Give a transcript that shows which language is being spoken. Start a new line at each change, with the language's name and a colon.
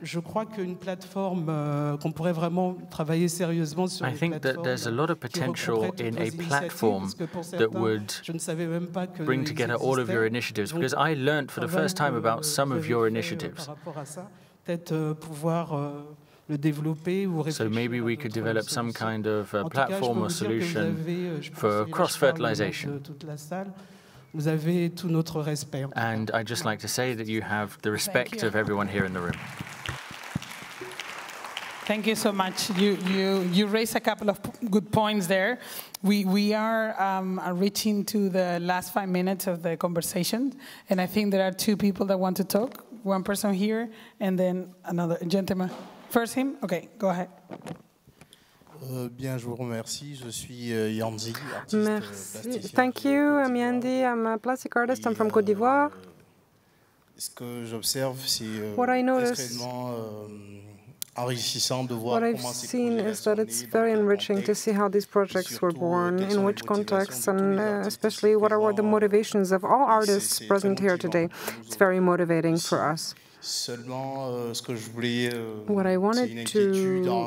French: je crois qu'une plateforme qu'on pourrait vraiment travailler sérieusement sur.
English: I think that there's a lot of potential in a platform that would bring together all of your initiatives, because I learned for the first time about some of your initiatives.
French: Peut-être pouvoir le développer, ou
English: so maybe we could develop some kind of platform or solution for cross-fertilization. And I'd just like to say that you have the respect of everyone here in the room. Thank you so much. You raised a couple of good points there. We are reaching to the last 5 minutes of the conversation, and I think there are two people that want to talk. One person here, and then another gentleman. First him? Okay, go ahead.
French: Bien, je vous remercie. Je suis Yandi, artiste
English: merci. Thank you, I'm Yandi. I'm a plastic artist. I'm from Côte d'Ivoire.
French: Ce que j'observe, c'est extrêmement enrichissant de voir comment
English: What I've seen is that it's very enriching to see how these projects were born, in which context, and especially what were the motivations of all artists present here today. It's very motivating for us.
French: Seulement, ce que je voulais,
English: what I wanted to